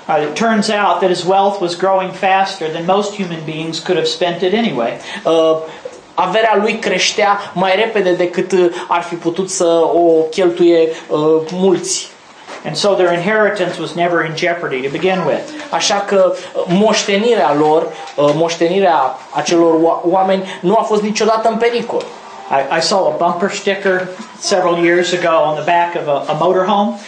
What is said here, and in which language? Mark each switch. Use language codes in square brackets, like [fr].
[en] It turns out that his wealth was growing faster than most human beings could have spent it anyway. [ro] Averea lui creștea mai repede decât ar fi putut să o cheltuie mulți. [en] And so their inheritance was never in jeopardy to begin with. [ro] Așa că moștenirea lor, moștenirea acelor oameni nu a fost niciodată în pericol. [en] I saw a bumper sticker several years ago on the back of a motorhome.